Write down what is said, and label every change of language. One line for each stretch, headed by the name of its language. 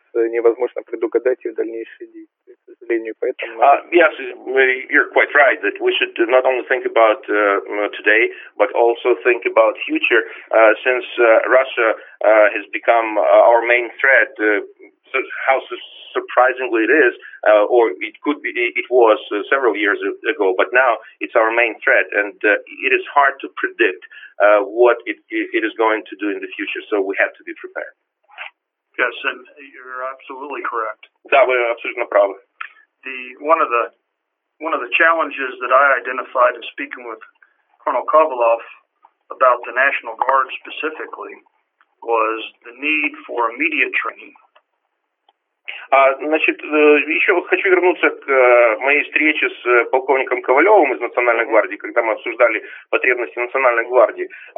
Russian: невозможно предугадать их дальнейшие действия, к сожалению. Поэтому...
English: Yes, you're quite right that we should not only think about today, but also think about future, since Russia has become our main threat. How surprisingly it is, or it could be, it was several years ago, but now it's our main threat, and it is hard to predict what it is going to do in the future, so we have to be prepared. Yes, and you're absolutely correct.
Russian: Да, вы абсолютно правы.
English: One of the challenges that I identified in speaking with Colonel Kovalev about the National Guard specifically was the need for immediate training.
Russian: Значит, еще хочу вернуться к моей встрече с полковником Ковалевым из Национальной гвардии, когда мы обсуждали потребности Национальной гвардии.